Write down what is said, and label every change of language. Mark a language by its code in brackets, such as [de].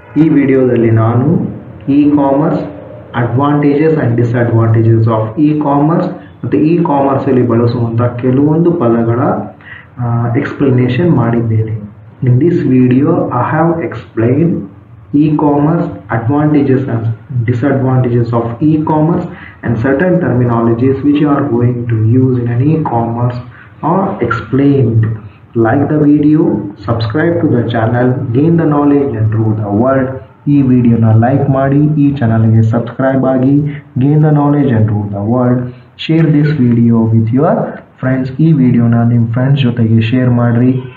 [kn] ಈ ವಿಡಿಯೋದಲ್ಲಿ ನಾನು [en] e-commerce advantages and disadvantages of e-commerce [kn] ಮತ್ತು ಇ-ಕಾಮರ್ಸ್ ಅಲ್ಲಿ ಬಳಸುವಂತಹ ಕೆಲವೊಂದು ಪದಗಳ ಎಕ್ಸ್ಪ್ಲನೇಷನ್ ಮಾಡಿದ್ದೇನೆ. [en] In this video I have explain e-commerce advantages and disadvantages of e-commerce and certain terminologies which you are going to use in an e-commerce are explained. Like the video, subscribe to the channel, gain the knowledge and rule the world. [kn] ಈ ವಿಡಿಯೋನ like ಮಾಡಿ, ಈ ಚಾನಲ್ಗೆ subscribe ಆಗಿ, [en] Gain the knowledge and rule the world. Share this video with your friends. [kn] ಈ ವಿಡಿಯೋನ ನಿಮ್ಮ friends ಜೊತೆಗೆ ಶೇರ್ ಮಾಡಿರಿ.